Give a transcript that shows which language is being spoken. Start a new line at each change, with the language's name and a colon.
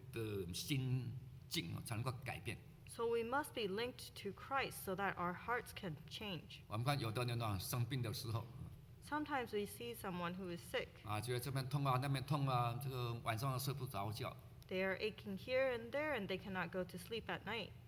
Chinese: 所以一定要跟耶稣连上关系，我们的心境才能够改变。
English: So we must be linked to Christ so that our hearts can change.
Chinese: 我们看有的人啊，生病的时候。
English: Sometimes we see someone who is sick.
Chinese: 啊，觉得这边痛啊，那边痛啊，这个晚上睡不着觉。
English: They are aching here and there, and they cannot go to sleep at night.